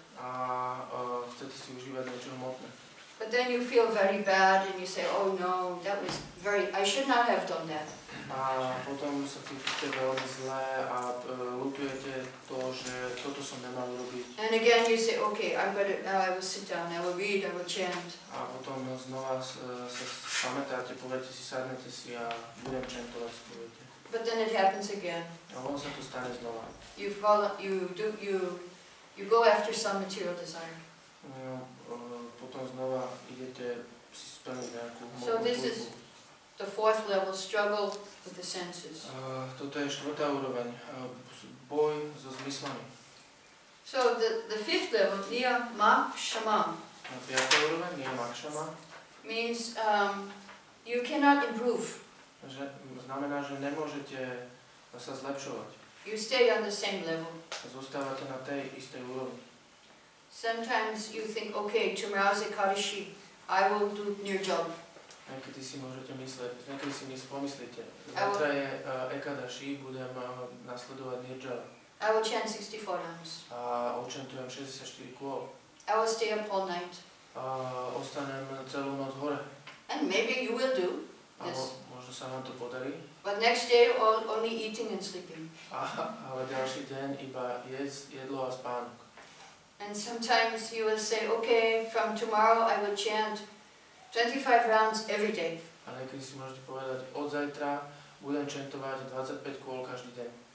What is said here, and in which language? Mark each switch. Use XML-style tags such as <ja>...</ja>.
<sk>A chcete si užívať niečo hmotné.</sk> <en>But then you feel very bad and you say, oh no, that was very, I should not have done that.</en> <sk>A potom sa cítite veľmi zle a ľutujete to, že toto som nemal robiť.</sk> <en>And again you say, okay, I'm gonna, I will sit down, I will read, I will chant.</en> <sk>A potom znova sa pamätáte, poviete si, sadnete si a budem chantovať, poviete.</sk> <en>But then it happens again.</en> <sk>A potom sa to stane znova.</sk> <en>You follow, you go after some material desire.</en> <sk>No, potom znova idete si splniť nejakú hmotnú túžbu.</sk> <en>The fourth level, struggle with the senses.</en> <sk>Toto je štvrtá úroveň, boj so zmyslami.</sk> <en>So the fifth level, niyamakshamam.</en> <sk>Piatá úroveň, niyamakshama.</sk> <en>Means you cannot improve.</en> <sk>Že, znamená, že nemôžete sa zlepšovať.</sk> <en>You stay on the same level.</en> <sk>Zostávate na tej istej úrovni.</sk> <en>Sometimes you think, okay, tomorrow is Ekadashi, I will do your job.</en> <sk>Niekedy si môžete mysleť, niekedy si pomyslíte. Zatra je Ekadashi, budem nasledovať Nirjala.</sk> <en>I will chant 64 times.</en> <sk>A odčantujem 64 kôl.</sk> <en>I will stay up all night.</en> <sk>A ostanem celú noc hore.</sk> <en>And maybe you will do this.</en> <sk>Možno sa vám to podarí.</sk> <en>But next day only eating and sleeping.</en> <sk>Ale ďalší deň iba jedlo a spánok.</sk> <en>And sometimes you will say, okay, from tomorrow I will chant 25 rounds every day.</en> <sk>A niekedy si môžete povedať, od zajtra budem čentovať 25 kôl každý deň.</sk>